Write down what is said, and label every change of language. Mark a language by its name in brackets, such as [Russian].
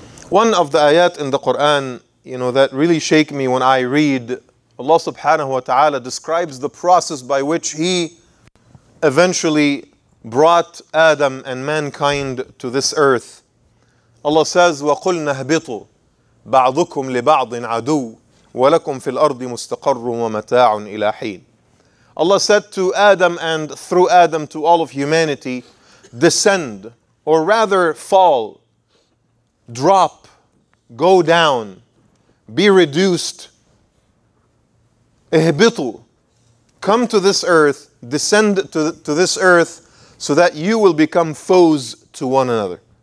[English] One of the ayat in the Quran, you know, that really shake me when I read, Allah subhanahu wa ta'ala describes the process by which He eventually brought Adam and mankind to this earth. Allah says, [Arabic] وَقُلْنَا اهْبِطُوا بَعْضُكُمْ لِبَعْضٍ عَدُوٌّ وَلَكُمْ فِي الْأَرْضِ مُسْتَقَرٌّ وَمَتَاعٌ إِلَى حِينٍ. [English] Allah said to Adam and through Adam to all of humanity, descend, or rather fall, drop, go down, be reduced. [Arabic] اهبطوا. [English] Come to this earth, descend to this earth, so that you will become foes to one another.